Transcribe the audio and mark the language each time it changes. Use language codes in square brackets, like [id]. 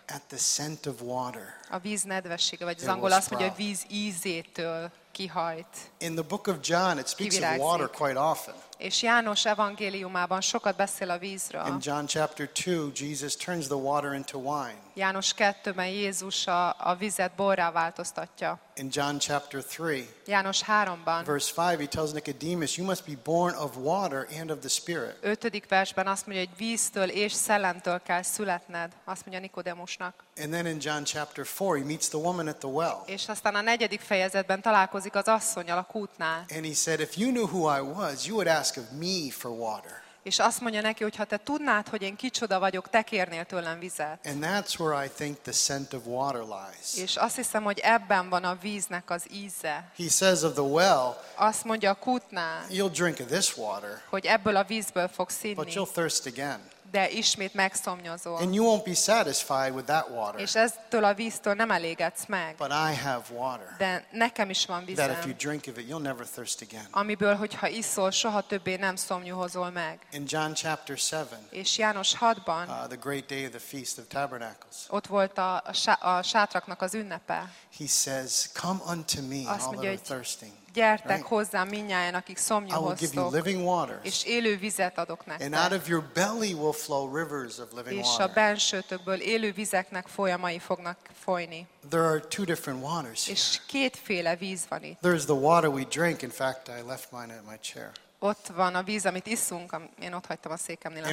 [en] At the scent of water. [hu] A víz nedvessége, vagy az angol azt mondja, hogy a víz ízétől kihajt. [en] In the book of John it speaks of water quite often. [hu] És János evangéliumában sokat beszél a vízről. [en] In John chapter 2 Jesus turns the water into wine. [hu] János 2-ben Jézus a vizet borrá változtatja. [en] In John chapter 3. [hu] János 3-ban. [en] Verse 5 he tells Nicodemus you must be born of water and of the spirit. [hu] 5. versben azt mondja, hogy víztől és szellemtől kell születned, azt mondja Nikodémusnak. [en] And then in John chapter 4 he meets the woman at the well. [hu] És aztán a 4. fejezetben találkozik az asszonnyal a kútnál. [en] And he said if you knew who I was you would ask of me for water. [hu] És azt mondja neki, hogy ha te tudnád, hogy én kicsoda vagyok, te kérnél tőlem vizet. [en] And that's where I think the scent of water lies. [hu] És azt hiszem, hogy ebben van a víznek az íze. [en] He says of the well. [hu] Azt mondja a kútnál. [en] You'll drink of this water. [hu] Hogy ebből a vízből fogsz inni. [en] But you'll thirst again. [hu] De ismét megszomjazol. [en] And you won't be satisfied with that water. [hu] És eztől a víztől nem elégedsz meg. [en] But I have water. [hu] De nekem is van vízem. [en] That if you drink of it, you'll never thirst again. [hu] Amiből, hogyha iszol, soha többé nem szomjúhozol meg. [en] In John chapter 7. [hu] És János 6-ban. [en] The great day of the Feast of Tabernacles. [hu] Ott volt a sátraknak az ünnepe. [en] He says, "Come unto me, [hu] azt mondja, [en] all that are thirsting." [hu] Gyertek [en] right? [hu] Hozzám mindnyájan, akik szomjúhoztok, és élő vizet adok nektek. [en] And out of your belly will flow rivers of living water. [hu] És a bensőtökből élő vizeknek folyamai fognak folyni. [en] There are two different waters. [hu] És kétféle víz van itt. [en] There's the water we drink. In fact, I left mine at my chair. [hu] Ott van a víz, amit iszunk, én ott hagytam a székemnél a